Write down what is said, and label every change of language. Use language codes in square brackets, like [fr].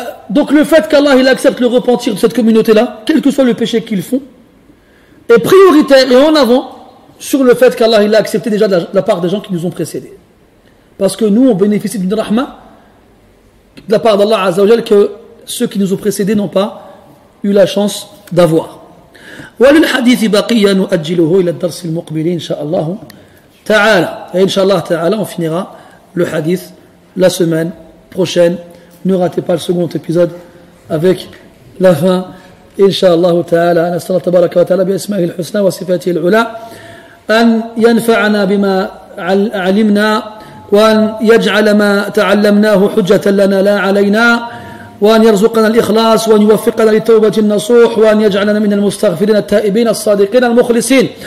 [fr] Donc le fait qu'Allah il accepte le repentir de cette communauté-là, quel que soit le péché qu'ils font, est prioritaire et en avant sur le fait qu'Allah il a accepté déjà de la part des gens qui nous ont précédés. Parce que nous, on bénéficie d'une rahma de la part d'Allah Azza wa Jal que ceux qui nous ont précédés n'ont pas eu la chance d'avoir. [ar] وللحديث بقية نؤجله إلى الدرس المقبل إن شاء الله تعالى إن شاء الله تعالى [fr] on finira le hadith la semaine prochaine. Ne ratez pas le second épisode avec la fin [ar] إن شاء الله تعالى. نسأل الله تبارك وتعالى بأسمائه الحسنى وصفاته العلى أن ينفعنا بما علمنا وأن يجعل ما تعلمناه حجة لنا لا علينا. وأن يرزقنا الإخلاص، وأن يوفقنا لتوبة النصوح، وأن يجعلنا من المستغفرين التائبين الصادقين المخلصين.